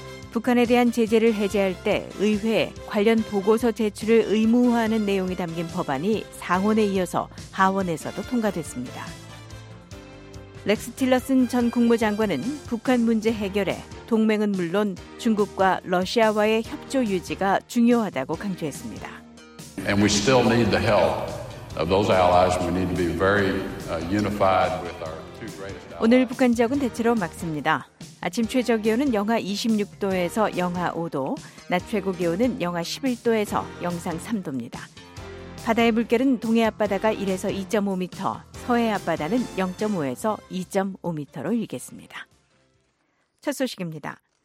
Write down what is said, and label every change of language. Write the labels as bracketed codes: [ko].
[ko] 북한에 대한 제재를 해제할 때 의회에 관련 보고서 제출을 의무화하는 내용이 담긴 법안이 상원에 이어서 하원에서도 통과됐습니다. 렉스 틸러슨 전 국무장관은 북한 문제 해결에 동맹은 물론 중국과 러시아와의 협조 유지가 중요하다고 강조했습니다. [en] And we still need the help of those allies. We need to be very unified with our [ko] 오늘 북한 지역은 대체로 맑습니다. 아침 최저기온은 영하 26도에서 영하 5도, 낮 최고기온은 영하 11도에서 영상 3도입니다. 바다의 물결은 동해 앞바다가 1에서 2.5m, 서해 앞바다는 0.5에서 2.5m로 일겠습니다. 첫 소식입니다.